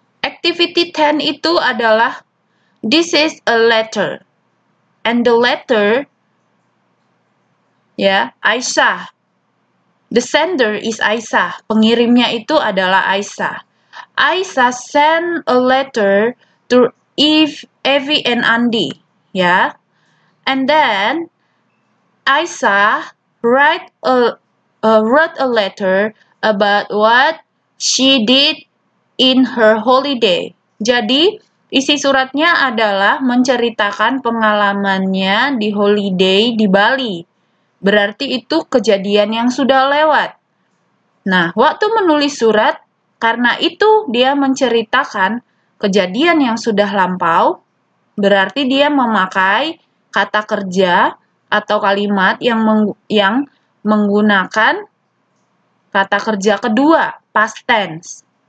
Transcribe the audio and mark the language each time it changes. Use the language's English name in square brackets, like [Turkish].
[Indonesian] Activity 10 itu adalah [English] this is a letter. And the letter Aisyah. The sender is Aisyah. [Indonesian] Pengirimnya itu adalah [English] Aisyah. Aisyah send a letter to Evie and Andy, And then Aisyah wrote a letter about what she did in her holiday. [Indonesian] Jadi, isi suratnya adalah menceritakan pengalamannya di holiday di Bali. Berarti itu kejadian yang sudah lewat. Nah, waktu menulis surat, karena itu dia menceritakan kejadian yang sudah lampau, berarti dia memakai kata kerja atau kalimat yang menggunakan kata kerja kedua, past tense.